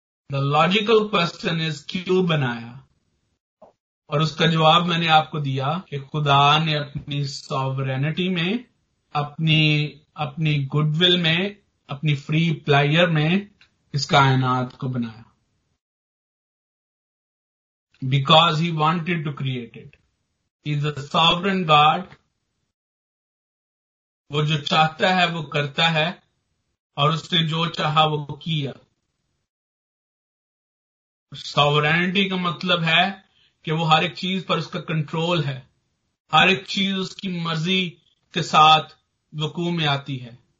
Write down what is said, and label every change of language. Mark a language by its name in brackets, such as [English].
[English] The logical question is [Urdu] کیوں بنایا, اور اس کا جواب میں نے آپ کو دیا کہ خدا نے اپنی سوورینٹی میں, اپنی گڈ ول میں, اپنی فری پلائر میں اس کائنات کو بنایا. [English] Because he wanted to create it. He is a sovereign God. [Urdu] وہ جو چاہتا ہے وہ کرتا ہے, اور اس نے جو چاہا وہ کیا. سوورینٹی کا مطلب ہے کہ وہ ہر ایک چیز پر اس کا کنٹرول ہے, ہر ایک چیز اس کی مرضی کے ساتھ وقوع میں آتی ہے.